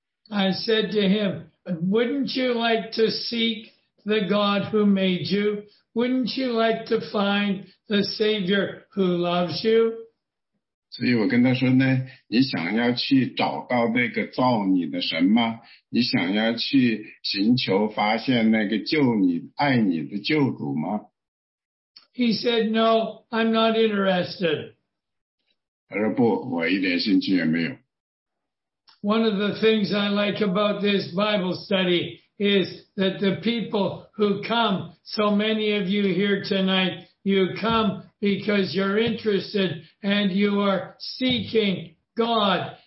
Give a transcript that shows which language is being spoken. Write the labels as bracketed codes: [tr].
[en] I said to him, wouldn't you like to seek the God who made you? Wouldn't you like to find the Savior who loves you? [zh] 所以我跟他说呢，你想要去找到那个造你的神吗？你想要去寻求发现那个救你、爱你的救主吗？ [en] He said, "No, I'm not interested." [zh] 他说不，我一点兴趣也没有。 [en] One of the things I like about this Bible study is that the people who come, so many of you here tonight, you come because you're interested and you are seeking God.